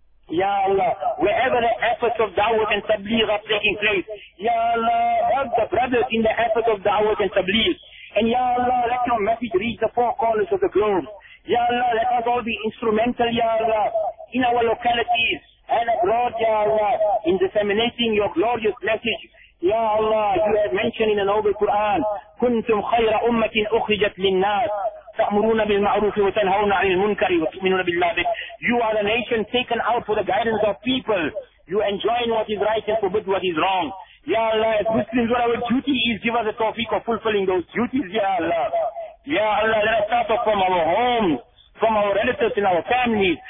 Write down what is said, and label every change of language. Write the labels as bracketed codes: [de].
[en] Ya Allah, wherever the efforts of da'wah and tabligh are taking place, Ya Allah, help the brothers in the efforts of da'wah and tabligh. And Ya Allah, let your message reach the four corners of the globe. Ya Allah, let us all be instrumental, Ya Allah, in our localities and abroad, Ya Allah, in disseminating your glorious message. Ya Allah, you have mentioned in the noble Quran, [ar] كنتم خير أمة أخرجت للناس تأمرون بالمعروف وتنهون عن المنكر وتؤمنون بالله. [en] You are a nation taken out for the guidance of people. You enjoin what is right and forbid what is wrong. Ya Allah, as Muslims, what our duty is, give us the tawfiq of fulfilling those duties, Ya Allah. Ya Allah, let us start off from our homes, from our relatives and our families.